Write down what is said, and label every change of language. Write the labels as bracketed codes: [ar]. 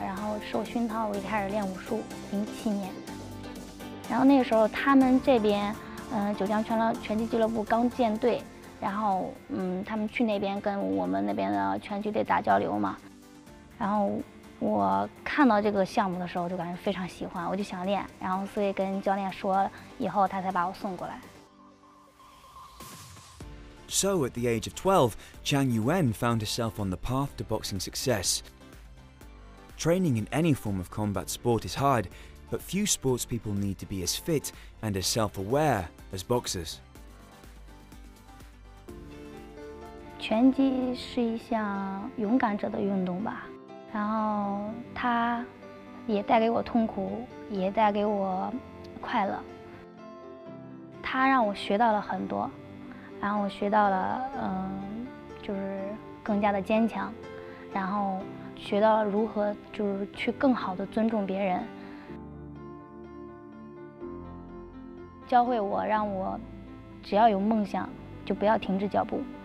[zh] 然后受熏陶，我一开始练武术，2007年。然后那个时候他们这边，九江拳击俱乐部刚建队，然后他们去那边跟我们那边的拳击队打交流嘛。然后我看到这个项目的时候，就感觉非常喜欢，我就想练。然后所以跟教练说了以后，他才把我送过来。 [en] So, at the age of 12, Chang Yuan found herself on the path to boxing success. Training in any form of combat sport is hard, but few sports people need to be as fit and as self-aware as boxers. [zh] 拳击是一项勇敢者的运动吧，然后它也带给我痛苦，也带给我快乐。它让我学到了很多。然后我学到了，就是更加的坚强，然后学到了如何就是去更好的尊重别人，教会我让我只要有梦想就不要停止脚步。